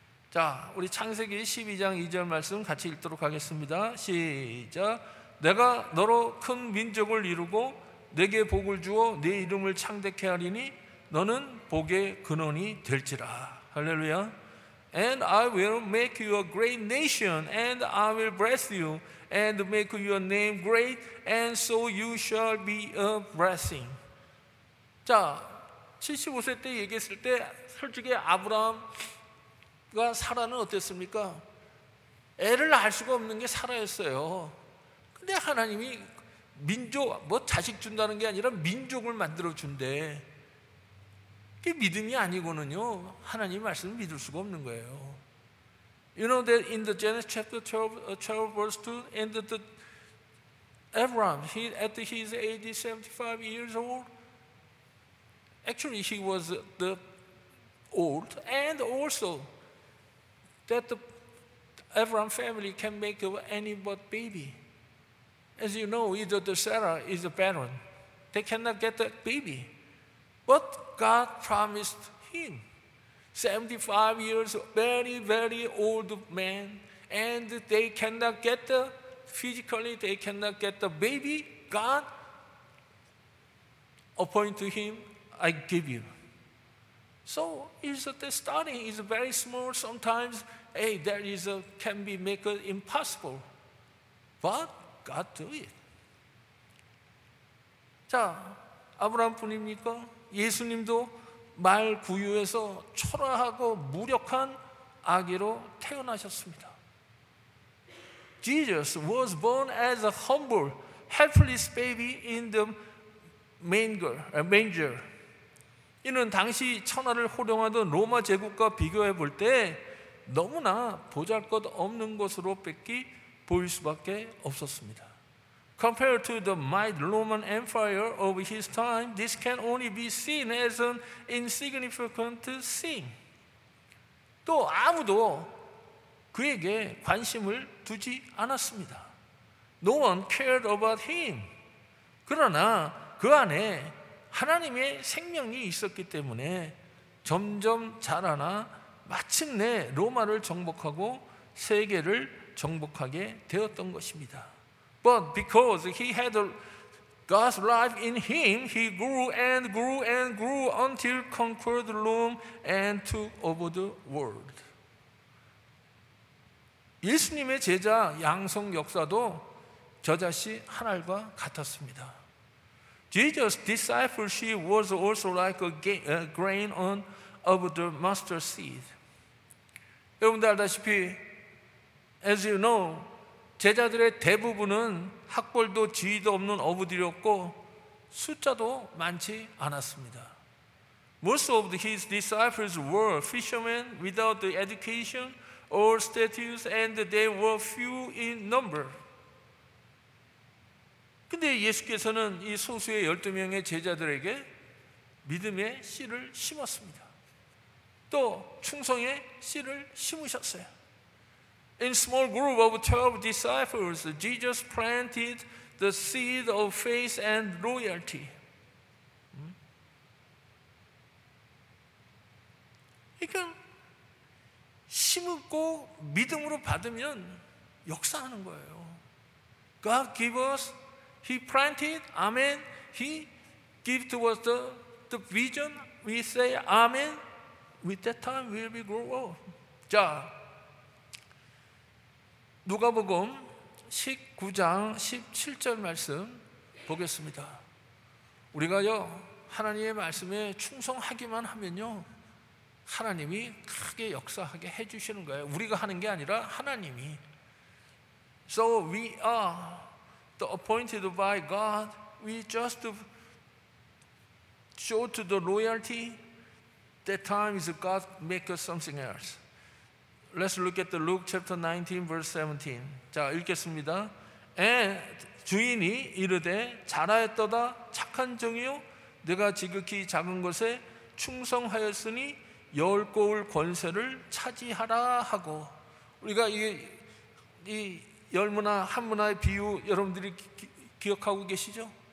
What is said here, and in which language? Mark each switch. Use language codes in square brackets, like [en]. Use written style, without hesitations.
[ko] 자, 우리 창세기 12장 2절 말씀 같이 읽도록 하겠습니다. 시작. 내가 너로 큰 민족을 이루고 내게 복을 주어 내 이름을 창대케 하리니 너는 복의 근원이 될지라. 할렐루야. [en] And I will make you a great nation, and I will bless you, and make your name great, and so you shall be a blessing. [ko] 자, 75세 때 얘기했을 때 솔직히 아브라함과 사라는 어땠습니까? 애를 낳을 수가 없는 게 사라였어요. 근데 하나님이 민족, 뭐 자식 준다는 게 아니라 민족을 만들어 준대. 그게 믿음이 아니고는요, 하나님 말씀을 믿을 수가 없는 거예요. [en] You know that in the Genesis chapter 12 verse 2, and the Abraham, he at his age 75 years old, actually, he was the old, and also that the Abraham family can make any but baby. As you know, either the Sarah is a barren. They cannot get that baby. But God promised him, 75 years, very, very old man, and they cannot get the, physically, they cannot get the baby. God appointed him, I give you. So is the starting is very small. Sometimes, hey, there is a can be make it impossible, but God do it. [ko] 자, 아브라함뿐입니까? 예수님도 말 구유에서 초라하고 무력한 아기로 태어나셨습니다. [en] Jesus was born as a humble, helpless baby in the manger. [ko] 이는 당시 천하를 호령하던 로마 제국과 비교해 볼 때 너무나 보잘것없는 것으로 뺏기 보일 수밖에 없었습니다. [en] Compared to the mighty Roman Empire of his time, this can only be seen as an insignificant thing. [ko] 또 아무도 그에게 관심을 두지 않았습니다. [en] No one cared about him. [ko] 그러나 그 안에 하나님의 생명이 있었기 때문에 점점 자라나 마침내 로마를 정복하고 세계를 정복하게 되었던 것입니다. [en] But because he had God's life in him, he grew and grew and grew until conquered Rome and took over the world. [ko] 예수님의 제자 양성 역사도 저자씨 하늘과 같았습니다. [en] Jesus' discipleship was also like a grain of the mustard seed. [ko] 여러분들 알다시피, [en] as you know, [ko] 제자들의 대부분은 학벌도 지위도 없는 어부들이었고 숫자도 많지 않았습니다. [en] Most of his disciples were fishermen without the education or status, and they were few in number. [ko] 근데 예수께서는 이 소수의 12명의 제자들에게 믿음의 씨를 심었습니다. 또 충성의 씨를 심으셨어요. [en] In small group of 12 disciples, Jesus planted the seed of faith and loyalty. [ko] 그러니까 심고 믿음으로 받으면 역사하는 거예요. [en] God give us, he planted, amen. He give to us the vision, we say amen. With that time, we'll be grow up. [ko] 자, 누가복음 19장 17절 말씀 보겠습니다. 우리가요 하나님의 말씀에 충성하기만 하면요 하나님이 크게 역사하게 해주시는 거예요. 우리가 하는 게 아니라 하나님이. [en] So we are the appointed by God. We just show to the loyalty. That time is God make us something else. Let's look at the Luke chapter 19, verse 17. [ko] 자, 읽겠습니다. And 주인이 이르되 잘하였도다 착한 종이요 내가 지극히 작은 것에 충성하였으니 열 고을 권세를 차지하라 하고. 우리가 이 열 문화 한 문화의 비유 여러분들이 기억하고 계시죠?